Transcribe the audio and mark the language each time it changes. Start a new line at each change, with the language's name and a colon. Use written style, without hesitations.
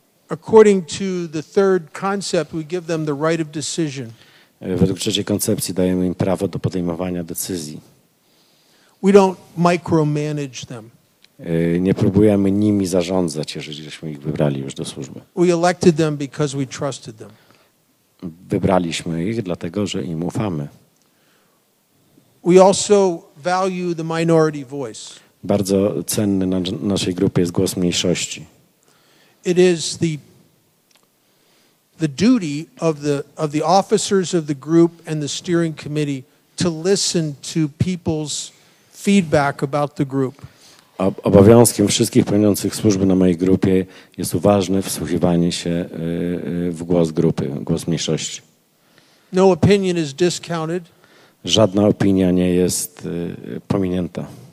English: According to the third concept, we give them the right of decision.
Polish: Według trzeciej koncepcji dajemy im prawo do podejmowania decyzji.
English: We don't micromanage them.
Polish: Nie próbujemy nimi zarządzać, jeżeli żeśmy ich wybrali już do służby.
English: We elected them because we trusted them.
Polish: Wybraliśmy ich dlatego, że im ufamy.
English: We also value the minority voice.
Polish: Bardzo cenny na naszej grupie jest głos mniejszości.
English: It is the duty of the officers of the group and the steering committee to listen to people's feedback about the group.
Polish: Obowiązkiem wszystkich pełniących służby na mojej grupie jest uważne wsłuchiwanie się w głos grupy, głos mniejszości.
English: No opinion is discounted.
Polish: Żadna opinia nie jest pominięta.